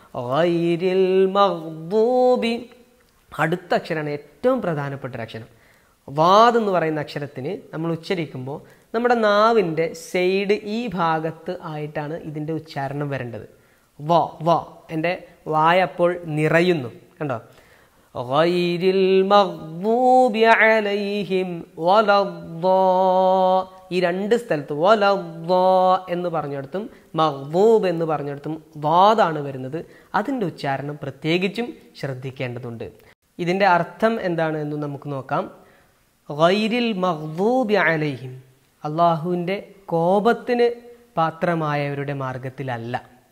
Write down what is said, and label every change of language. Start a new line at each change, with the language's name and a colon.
Arabic: ഗൈരിൽ മഗ്ദൂബി
Malayalam: അടുത്ത അക്ഷരമാണ് ഏറ്റവും പ്രധാനപ്പെട്ട ഒരു അക്ഷരം. വാദ് എന്ന് പറയുന്ന അക്ഷരത്തിന് നമ്മൾ ഉച്ചരിക്കുമ്പോൾ നമ്മുടെ നാവിൻ്റെ സൈഡ് ഈ ഭാഗത്ത് ആയിട്ടാണ് ഇതിൻ്റെ ഉച്ചാരണം വരേണ്ടത്. വ വ എൻ്റെ വായ അപ്പോൾ നിറയുന്നു, കണ്ടോ.
Arabic: غير المغضوب عليهم ولا الضال.
Malayalam: ഈ രണ്ട് സ്ഥലത്ത് വല എന്ന് പറഞ്ഞിടത്തും മഗ്ദൂബ് എന്ന് പറഞ്ഞിടത്തും ദാദാണ് വരുന്നത്. അതിൻ്റെ ഉച്ചാരണം പ്രത്യേകിച്ചും ശ്രദ്ധിക്കേണ്ടതുണ്ട്. ഇതിൻ്റെ അർത്ഥം എന്താണ് എന്ന് നമുക്ക് നോക്കാം.
Arabic: ഗൈരിൽ മഗ്ദൂബി അലൈഹിം,
Malayalam: അള്ളാഹുവിൻ്റെ കോപത്തിന് പാത്രമായവരുടെ മാർഗത്തിലല്ല.